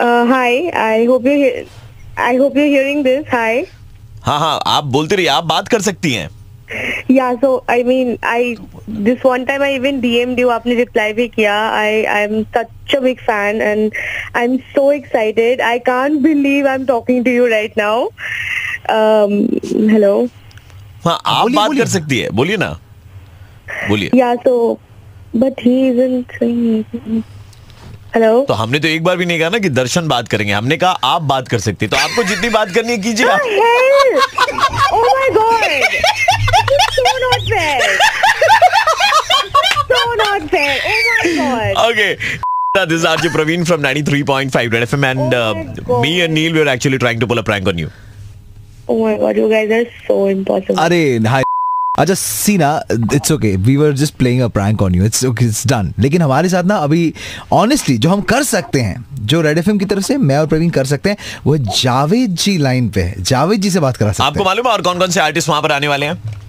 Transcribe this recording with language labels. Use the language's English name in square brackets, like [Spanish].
[English] Hi, I hope you're hearing this. Hi. [Hindi] हाँ हाँ आप बोलती रहिए, आप बात कर सकती हैं। [English] Yeah, so I mean, I this one time I even DM'd you. [Hindi] आपने reply भी किया. [English] I'm such a big fan and I'm so excited. I can't believe I'm talking to you right now. Hello. [Hindi] हाँ आप बोली, बात बोली कर सकती है, बोलिए ना, बोलिए. [English] Yeah, so but he isn't saying. Hello? [Hindi] तो हमने तो एक बार भी नहीं कहा ना कि दर्शन बात करेंगे, हमने कहा आप बात कर सकती, तो आपको जितनी बात करनी है कीजिए. [English] Oh my God! So not fair! So not fair! Oh my God! Okay, this is RJ Praveen from 93.5 Red FM and me and Neil, we are actually trying to pull a prank on you. Oh my God, you guys are so impossible. [Hindi] अरे अच्छा सीना, [English] It's okay, we were just playing a prank on you, it's okay, it's done. [Hindi] लेकिन हमारे साथ ना अभी honestly जो हम कर सकते हैं, जो रेड एफएम की तरफ से मैं और प्रवीण कर सकते हैं, वो जावेद जी लाइन पे है. जावेद जी से बात करा सकते हैं. आपको मालूम है और कौन कौन से आर्टिस्ट वहां पर आने वाले हैं?